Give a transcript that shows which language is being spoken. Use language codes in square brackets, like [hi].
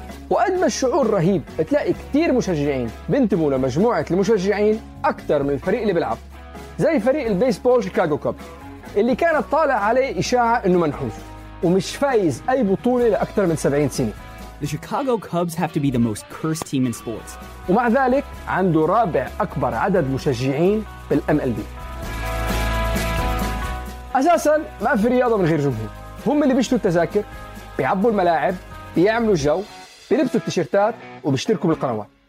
[ar] وقد ما الشعور رهيب بتلاقي كتير مشجعين بينتموا لمجموعة المشجعين أكتر من الفريق اللي بيلعب، زي فريق البيسبول شيكاغو كوب اللي كانت طالع عليه إشاعة إنه منحوس ومش فايز أي بطولة لأكتر من 70 سنة. [en] The Chicago Cubs have to be the most cursed team in sports. [ar] ومع ذلك عنده رابع أكبر عدد مشجعين بالMLB. أساساً ما في رياضة من غير جمهور. هم اللي بيشتروا التذاكر، بيعبوا الملاعب، بيعملوا الجو، بيلبسوا التيشيرتات وبيشتركوا بالقنوات.